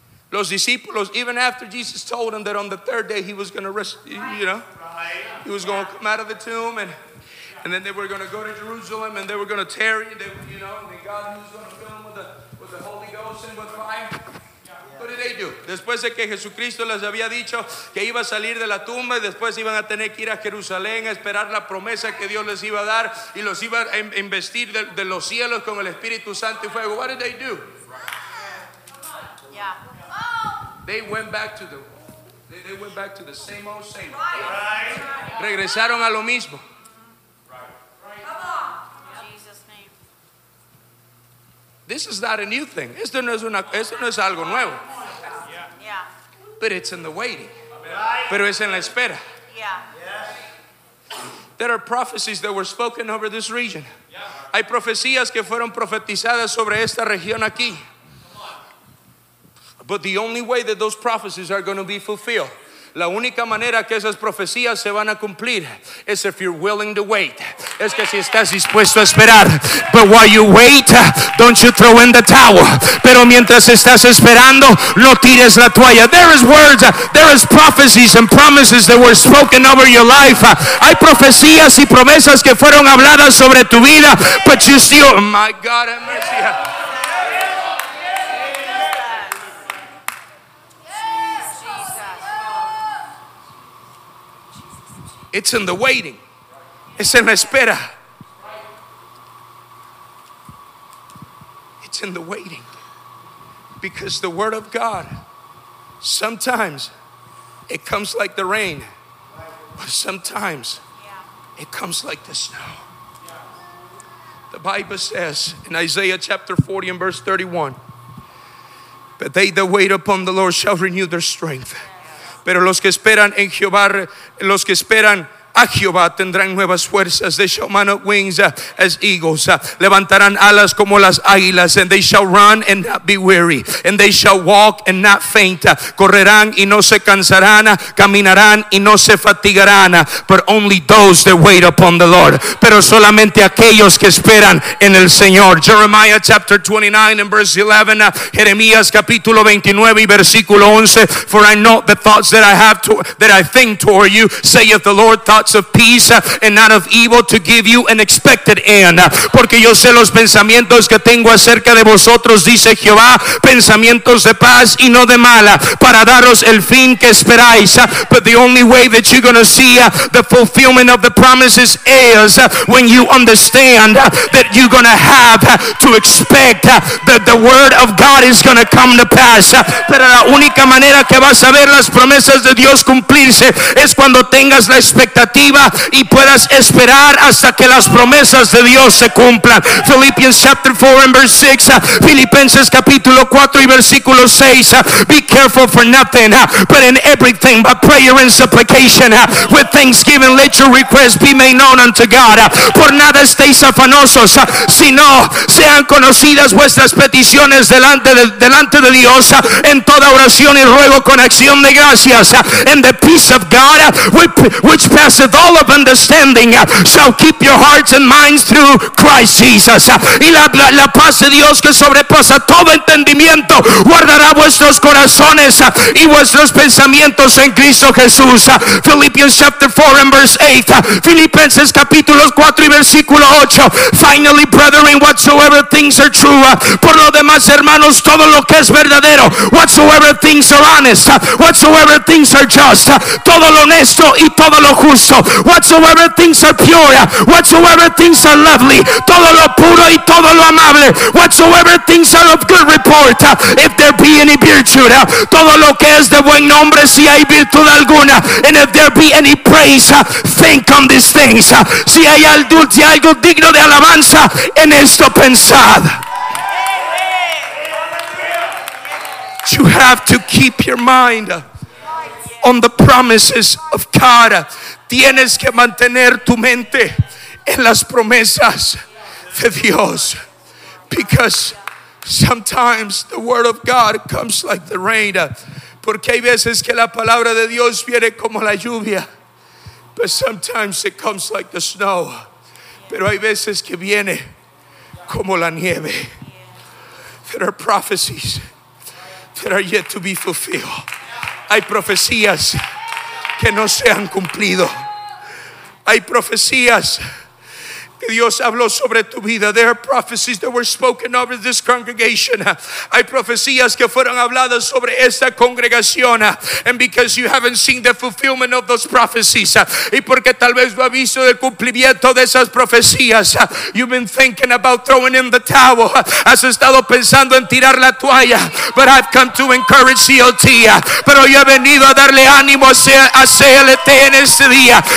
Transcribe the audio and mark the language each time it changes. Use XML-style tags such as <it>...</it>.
<es>Los discípulos,</es> <en>even after Jesus told them that on the third day he was going to rest, you know, he was going to come out of the tomb, and then they were going to go to Jerusalem, and they were going to tarry, and they, you know, and God was going to fill them with the Holy Ghost and with fire. What did they do?</en> <es>Después de que Jesucristo les había dicho que iba a salir de la tumba y después iban a tener que ir a Jerusalén a esperar la promesa que Dios les iba a dar y los iba a investir de los cielos con el Espíritu Santo y fuego.</es> <en>What did they do? Yeah. They went back to the same old same.</en> <es>Right. Regresaron a lo mismo.</es> <en>This is not a new thing.</en> <es>Esto no es algo nuevo.</es> <en>Yeah. But it's in the waiting.</en> <es>Pero es en la espera.</es> <en>There are prophecies that were spoken over this region.</en> <es>Hay profecías que fueron profetizadas sobre esta región aquí.</es> <en>But the only way that those prophecies are going to be fulfilled,</en> <es>la única manera que esas profecías se van a cumplir,</es> <en>is if you're willing to wait.</en> <es>Es que si estás dispuesto a esperar.</es> <en>But while you wait, don't you throw in the towel.</en> <es>Pero mientras estás esperando, no tires la toalla.</es> <en>There is words, there is prophecies and promises that were spoken over your life.</en> <es>Hay profecías y promesas que fueron habladas sobre tu vida.</es> <en>But you still, my God, have mercy. It's in the waiting.</en> <es>Es en la espera.</es> <en>It's in the waiting. Because the word of God, sometimes it comes like the rain, but sometimes it comes like the snow. The Bible says in Isaiah chapter 40 and verse 31, But they that wait upon the Lord shall renew their strength.</en> <es>Pero los que esperan en Jehová, los que esperan a Jehová tendrán nuevas fuerzas.</es> <en>They shall mount up wings as eagles.</en> <es>Levantarán alas como las águilas.</es> <en>And they shall run and not be weary. And they shall walk and not faint.</en> <es>Correrán y no se cansarán. Caminarán y no se fatigarán.</es> <en>But only those that wait upon the Lord.</en> <es>Pero solamente aquellos que esperan en el Señor.</es> <en>Jeremiah chapter 29 and verse 11.</en> <es>Jeremías capítulo 29 y versículo 11.</es> <en>For I know the thoughts that I think toward you, saith the Lord, thoughts of peace and not of evil, to give you an expected end.</en> <es>Porque yo sé los pensamientos que tengo acerca de vosotros, dice Jehová, pensamientos de paz y no de mala, para daros el fin que esperáis.</es> <en>But the only way that you're going to see the fulfillment of the promises is when you understand that you're going to have to expect that the word of God is going to come to pass.</en> <es>Pero la única manera que vas a ver las promesas de Dios cumplirse es cuando tengas la expectativa y puedas esperar hasta que las promesas de Dios se cumplan.</es> <en>Philippians chapter 4 and verse 6.</en> <es>Filipenses capítulo 4 y versículo 6.</es> <en>Be careful for nothing, but in everything by prayer and supplication, with thanksgiving let your requests be made known unto God.</en> <es>Por nada estéis afanosos, sino sean conocidas vuestras peticiones delante de Dios, en toda oración y ruego con acción de gracias.</es> <en>And the peace of God, which passeth all of understanding, shall keep your hearts and minds through Christ Jesus.</en> <es>Y la paz de Dios que sobrepasa todo entendimiento guardará vuestros corazones y vuestros pensamientos en Cristo Jesús.</es> <en>Philippians chapter 4 and verse 8.</en> <es>Filipenses capítulos 4 y versículo 8.</es> <en>Finally, brethren, whatsoever things are true.</en> <es>Por lo demás, hermanos, todo lo que es verdadero.</es> <en>Whatsoever things are honest. Whatsoever things are just.</en> <es>Todo lo honesto y todo lo justo.</es> <en>Whatsoever things are pure. Whatsoever things are lovely.</en> <es>Todo lo puro y todo lo amable.</es> <en>Whatsoever things are of good report. If there be any virtue.</en> <es>Todo lo que es de buen nombre, si hay virtud alguna.</es> <en>And if there be any praise, think on these things.</en> <es>Si hay algo digno de alabanza, en esto pensad.</es> <en>You have to keep your mind on the promises of God.</en> <es>Tienes que mantener tu mente en las promesas de Dios.</es> <en>Because sometimes the word of God comes like the rain.</en> <es>Porque hay veces que la palabra de Dios viene como la lluvia.</es> <en>But sometimes it comes like the snow.</en> <es>Pero hay veces que viene como la nieve.</es> <en>There are prophecies that are yet to be fulfilled.</en> <es>Hay profecías que no se han cumplido. Hay profecías que Dios habló sobre tu vida.</es> <en>There are prophecies that were spoken over this congregation.</en> <es>Hay profecías que fueron habladas sobre esta congregación.</es> <en>And because you haven't seen the fulfillment of those prophecies,</en> <es>y porque tal vez no has visto el cumplimiento de esas profecías,</es> <en>you've been thinking about throwing in the towel.</en> <es>Has estado pensando en tirar la toalla.</es> <en>But I've come to encourage CLT.</en> <es>Pero yo he venido a darle ánimo a CLT en este día.</es>